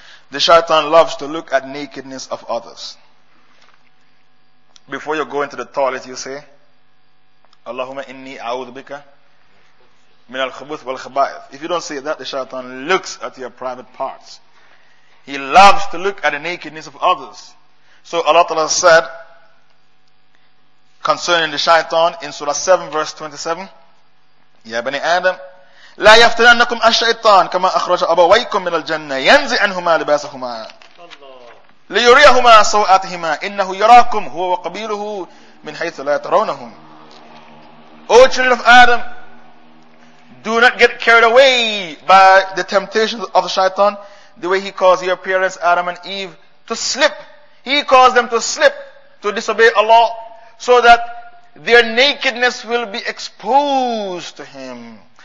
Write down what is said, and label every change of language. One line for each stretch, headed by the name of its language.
English: The shaitan loves to look at nakedness of others. Before you go into the toilet, you say,
Arabic: Allahumma inni a'udhu bika min al-khubuth wal-khaba'ith.
English: If you don't say that, the shaitan looks at your private parts. He loves to look at the nakedness of others. So Allah Ta'ala said, concerning the shaitan, in Surah 7, verse 27,
Arabic: Ya bani Adam, لا يفتننكم الشيطان كما أخرج أبويكم من الجنة ينزع عنهما لباسهما ليريهما سوءاتهما إنه يراكم هو وقبيله من حيث لا ترونهم.
English: O children of Adam, do not get carried away by the temptations of the shaitan, the way he caused your parents Adam and Eve to slip. He caused them to slip, to disobey Allah, so that their nakedness will be exposed to him.